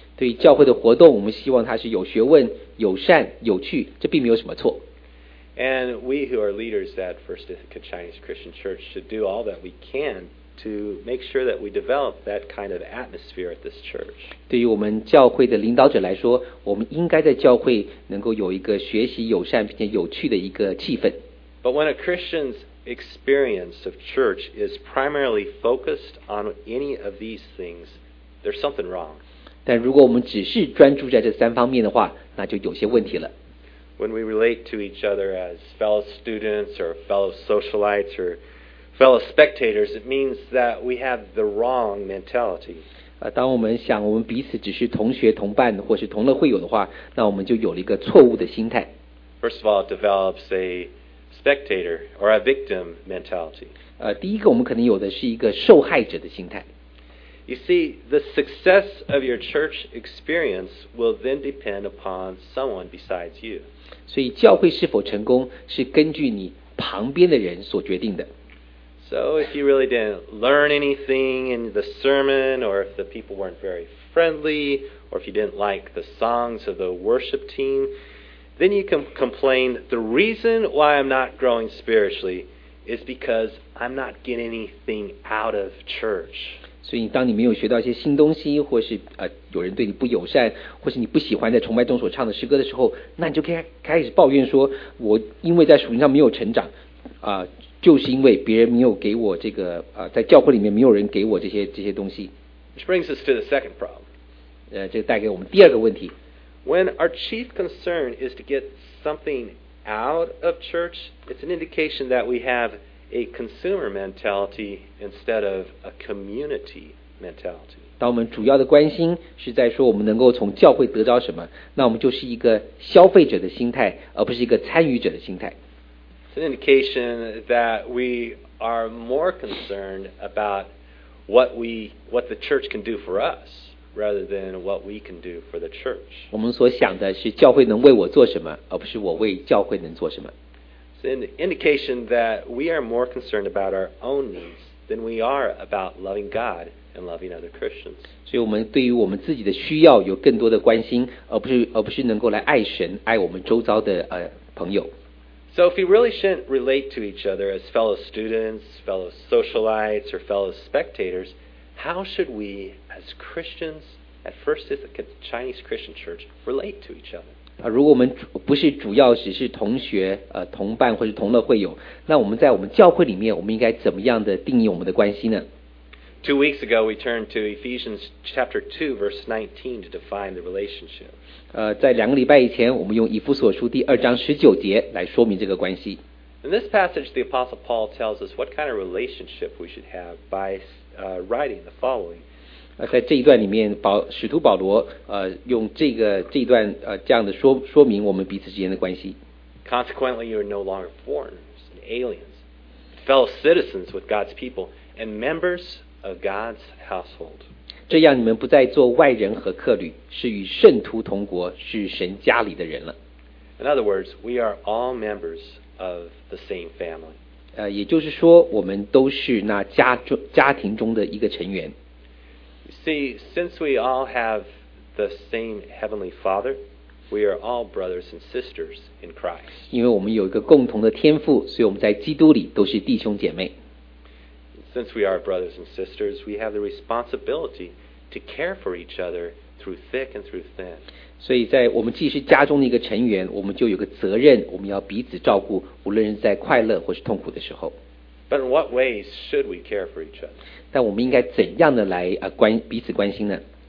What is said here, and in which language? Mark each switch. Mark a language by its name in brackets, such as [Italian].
[Chinese] 对教会的活动，我们希望它是有学问、友善、有趣，这并没有什么错。 [English] And we who are leaders at First Ithaca Chinese Christian Church should do all that we can to make sure that we develop that kind of atmosphere at this church. [Chinese] 对于我们教会的领导者来说，我们应该在教会能够有一个学习友善并且有趣的一个气氛。 [English] But when a Christian's experience of church is primarily focused on any of these things, there's something wrong. [Chinese] 但如果我们只是专注在这三方面的话，那就有些问题了。 [English] When we relate to each other as fellow students or fellow socialites or fellow spectators, it means that we have the wrong mentality. [Chinese] 当我们想我们彼此只是同学、同伴或是同乐会友的话，那我们就有了一个错误的心态。 [English] First of all, it develops a spectator or a victim mentality. [Chinese] 第一个我们可能有的是一个受害者的心态。 [English] You see, the success of your church experience will then depend upon someone besides you. [Chinese] 所以教会是否成功是根据你旁边的人所决定的。 [English] So if you really didn't learn anything in the sermon, or if the people weren't very friendly, or if you didn't like the songs of the worship team, then you can complain, the reason why I'm not growing spiritually is because I'm not getting anything out of church. [Chinese] 所以当你没有学到一些新东西，或是有人对你不友善，或是你不喜欢在崇拜中所唱的诗歌的时候，那你就开始抱怨说，我因为在属灵上没有成长，就是因为别人没有给我这个在教会里面没有人给我这些东西。 [English] Which brings us to the second problem. [Chinese] 这带给我们第二个问题。 [English] When our chief concern is to get something out of church, it's an indication that we have a consumer mentality instead of a community mentality. [Chinese] 当我们主要的关心是在说我们能够从教会得到什么，那我们就是一个消费者的心态，而不是一个参与者的心态。 [English] It's an indication that we are more concerned about what the church can do for us. Rather than what we can do for the church. [Chinese] 我们所想的是教会能为我做什么，而不是我为教会能做什么。 [English] It's an indication that we are more concerned about our own needs than we are about loving God and loving other Christians. [Chinese] 所以我们对于我们自己的需要有更多的关心，而不是能够来爱神，爱我们周遭的朋友。 [English] So if we really shouldn't relate to each other as fellow students, fellow socialites, or fellow spectators,How should we, as Christians, at First Chinese Christian Church, relate to each other? [Chinese] 如果我们不是主要只是同学、同伴或是同乐会友，那我们在我们教会里面，我们应该怎么样的定义我们的关系呢？ [English] 2 weeks ago, we turned to Ephesians chapter 2, verse 19 to define the relationship. [Chinese] 在两个礼拜以前，我们用以弗所书第二章十九节来说明这个关系。 [English] In this passage, the Apostle Paul tells us what kind of relationship we should have by writing the following. [Chinese] 在这一段里面，使徒保罗用这一段这样的说明我们彼此之间的关系。 [English] Consequently, you are no longer foreigners and aliens, fellow citizens with God's people and members of God's household. [Chinese] 这样你们不再做外人和客旅，是与圣徒同国，是神家里的人了。 [English] In other words, we are all members of the same family. [Chinese] 也就是说我们都是那 家庭中的一个成员。 [English] You see, since we all have the same Heavenly Father, we are all brothers and sisters in Christ. [Chinese] 因为我们有一个共同的天父，所以我们在基督里都是弟兄姐妹。 [English] Since we are brothers and sisters, we have the responsibility to care for each other through thick and through thin. [Chinese] 所以在我们既是家中的一个成员，我们就有个责任，我们要彼此照顾，无论是在快乐或是痛苦的时候。 [English] But in what ways should we care for each other? [Chinese] 但我们应该怎样的来彼此关心呢？